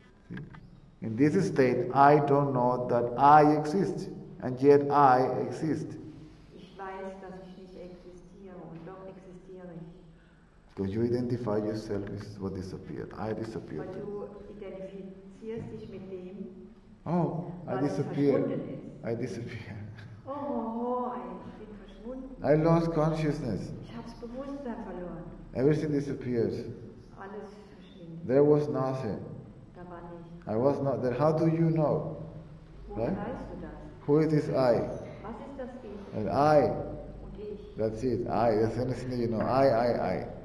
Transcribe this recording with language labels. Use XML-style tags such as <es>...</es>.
<en>see, in this state, I don't know that I exist, and yet I exist.</en> <de>Ich weiß, dass ich nicht existiere, und doch existiere ich.</de> <en>Because you identify yourself with what disappeared. I disappeared.</en> <de>Weil du identifizierst dich mit dem,</de> <en>oh, I disappeared. I disappear.</en> <de>Oh, ich bin verschwunden.</de> <en>I lost consciousness.</en> <de>Ich hab's Bewusstsein verloren.</de> <en>Everything disappears.</en> <de>Alles verschwindet.</de> <en>There was nothing.</en> <de>Da war nicht.</de> <en>I was not there. How do you know?</en> <de>Woher right? Weißt du das?</de> <en>Who is this I?</en> <de>Was ist das ich?</de> <en>And I.</en> <de>Und ich.</de> <en>That's it. I. That's the only thing that you know. I.</en>